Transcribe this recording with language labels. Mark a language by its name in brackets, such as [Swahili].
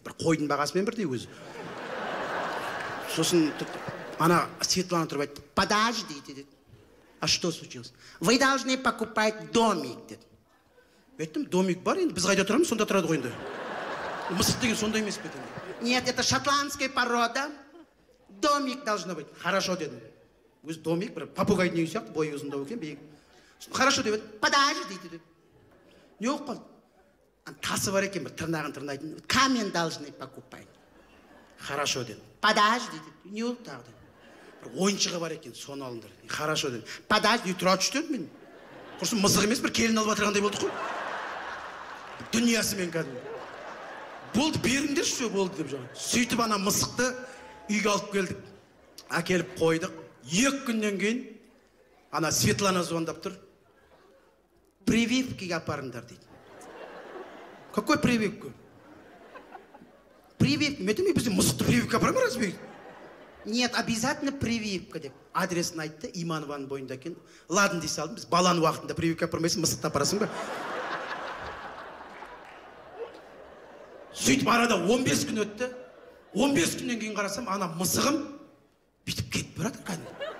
[Kazakh] Бір қойдың бағасымен бірдей өзі. Сосын ана Светлана тұрып айтты, [Russian] подожди деді. А что случилось? Вы должны покупать домик деді. [Kazakh] Айттым, домик бар енді, біз қайда тұрамыз, сонда тұрады ғой енді. Мысық деген сондай емес пе деді. [Russian] Нет, это шотландская порода. Домик должно быть. Хорошо дедім. [Kazakh] Өзі домик бір попугай дүние сияқты, бойы ұзындау екен, биік. [Russian] Хорошо деп еді. Подожди деді. [Kazakh] Не оқып қалды? Тасы бар екен бір тырнағын тырнайтын. [Russian] Камен должны покупать. Хорошо деді. [Kazakh] Подожди деді. Не оқып тағы деді. Бір ойыншығы бар екен, соны алыңдар. [Russian] Хорошо деді. Подожди. [Kazakh] Тұра түсті дедім мен. Құрсын мысық емес бір келін алып жатырғандай болдық қой. Дүниесі мен кәдімгі. Болды беріңдерші, все болды деп жаңа. Сөйтіп ана мысықты үйге алып келдік. Әкеліп қойдық. Екі күннен кейін ана Светлана звондап тұр. Прививкіге апарыңдар дейді. [Russian] Какой прививку? Прививка. [Kazakh] Мен айтамын, біз мысықты прививка апарамыз ба? [Russian] Нет, обязательно прививка деп. [Kazakh] Адресін айтты, Иманованың бойында екен. Ладын дей салдым, біз баланың уақытында прививка апармайсың, мысықты апарасың ба? Сөйтіп арада 15 күн өтті. 15 күннен кейін қарасам, ана мысығым бүйтіп кетіп барады қазір.